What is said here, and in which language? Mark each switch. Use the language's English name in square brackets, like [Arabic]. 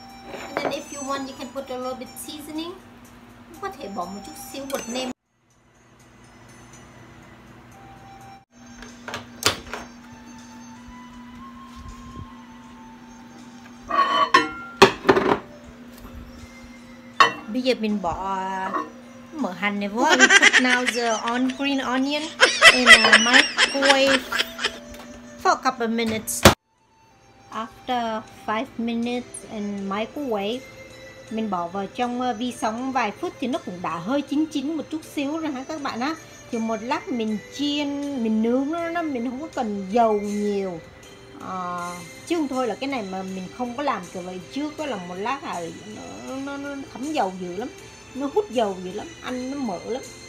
[English] And then if you want, you can put a little bit seasoning. [Vietnamese] Có thể bỏ một chút xíu bột nêm. Bây giờ mình bỏ mỡ hành này vô. [English] We put now the on green onion in the microwave for a couple of minutes. After 5 minutes in microwave, [Vietnamese] mình bỏ vào trong vi sóng vài phút thì nó cũng đã hơi chín chín một chút xíu rồi ha các bạn á. Thì một lát mình chiên, mình nướng nó, mình không có cần dầu nhiều. Chứ không thôi là cái này mà mình không có làm kiểu vậy trước đó, là một lát là nó thấm dầu dữ lắm, nó hút dầu dữ lắm, ăn nó mỡ lắm.